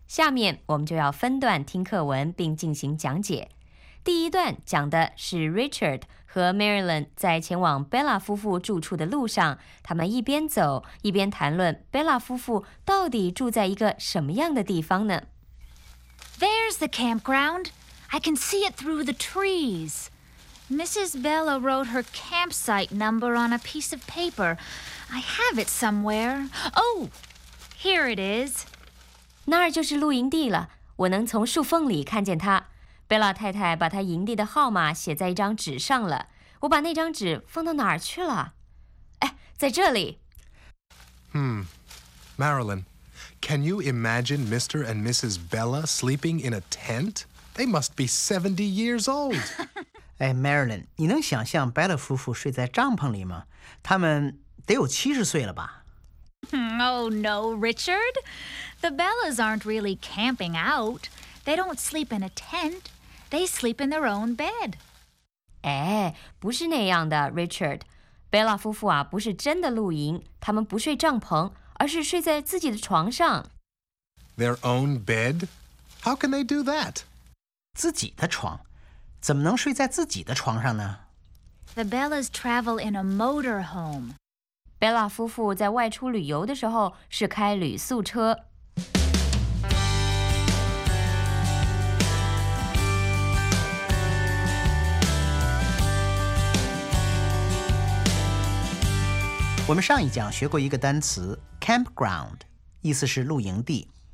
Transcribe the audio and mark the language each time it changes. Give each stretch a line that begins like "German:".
Chinese: 下面我们就要分段听课文并进行讲解。第一段讲的是 Richard 和 Marilyn 在前往 Bella 夫妇住处的路上，他们一边走一边谈论 Bella 夫妇到底住在一个什么样的地方呢？
English: There's the campground. I can see it through the trees. Mrs. Bella wrote her campsite number on a piece of paper. I have it somewhere. Oh, here it is.
Chinese: 那儿就是露营地了，我能从树缝里看见它。贝拉太太把她营地的号码写在一张纸上了，我把那张纸放到哪儿去了？哎，在这里。
English: Marilyn, can you imagine Mr. and Mrs. Bella sleeping in a tent? They must be 70 years old.
Chinese: 哎 ，Marilyn， 你能想象贝拉夫妇睡在帐篷里吗？他们得有70岁了吧？
English: Oh, no, Richard. The Bellas aren't really camping out. They don't sleep in a tent. They sleep in their own bed.
Chinese: 哎，不是那样的 ,Richard. Bella 夫妇啊，不是真的露营，他们不睡帐篷，而是睡在自己的床上。
English: Their own bed? How can they do that?
Chinese: 自己的床？怎么能睡在自己的床上呢？
English: The Bellas travel in a motor home.
Chinese: Bella 夫妇在外出旅游的时候是开旅宿车。我们上一讲学过一个单词 campground， 意思是露营地。